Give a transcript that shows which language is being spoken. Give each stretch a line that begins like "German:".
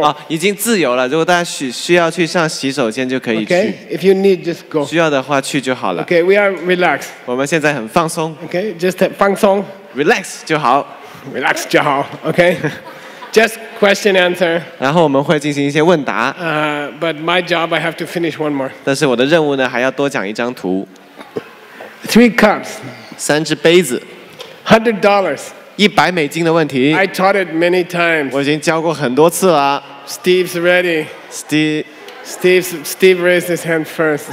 Chinese: 啊，已经自由了。如果大家需要去上洗手间就可以去。
English: Okay. If you need, just go.
Chinese: 需要的话去就好了。
English: Okay. We are relaxed.
Chinese: 我们现在很放松。
English: Okay. Just 放松。
Chinese: Relax 就好。
English: Relax
Chinese: 就好。
English: Okay. Just question answer.
Chinese: 然后我们会进行一些问答。
English: But my job, I have to finish one more.
Chinese: 但是我的任务呢，还要多讲一张图。
English: Three cups.
Chinese: 三只杯子。
English: $100.
Chinese: 一百美金的问题。
English: I taught it many times.
Chinese: 我已经教过很多次了。
English: Steve's ready. Steve raised his hand first.